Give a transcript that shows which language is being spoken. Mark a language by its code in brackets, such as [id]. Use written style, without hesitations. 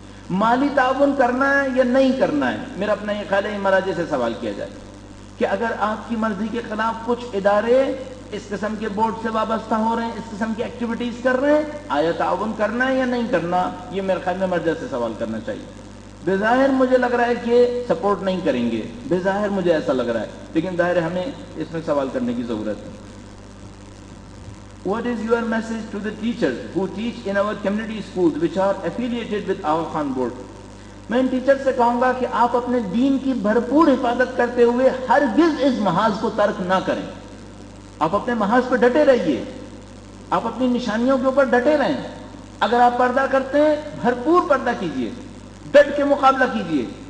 [ur] مالی تعاون کرنا ہے یا نہیں کرنا ہے، میرا اپنا یہ خیال ہے مراجع سے سوال کیا جائے کہ اگر آپ کی مرضی کے خلاف کچھ ادارے اس قسم کے بورڈ سے وابستہ ہو رہے ہیں، اس قسم کی ایکٹیویٹیز کر رہے ہیں، آیا تعاون کرنا ہے یا نہیں کرنا، یہ میرے خیال میں مرجع سے سوال کرنا چاہیے. بظاہر مجھے لگ رہا ہے کہ سپورٹ نہیں کریں گے، بظاہر مجھے ایسا لگ رہا ہے، لیکن ظاہر ہمیں اس میں سوال کرنے کی ضرورت ہے. [en] What is your message to the teachers who teach in our community schools which are affiliated with Aga Khan board? [ur] میں ان ٹیچر سے کہوں گا کہ آپ اپنے دین کی بھرپور حفاظت کرتے ہوئے ہرگز اس محاذ کو ترک نہ کریں. آپ اپنے محاذ پہ ڈٹے رہیے، آپ اپنی نشانیوں کے اوپر ڈٹے رہیں. اگر آپ پردہ کرتے ہیں بھرپور پردہ کیجئے، ڈٹ کے مقابلہ کیجئے.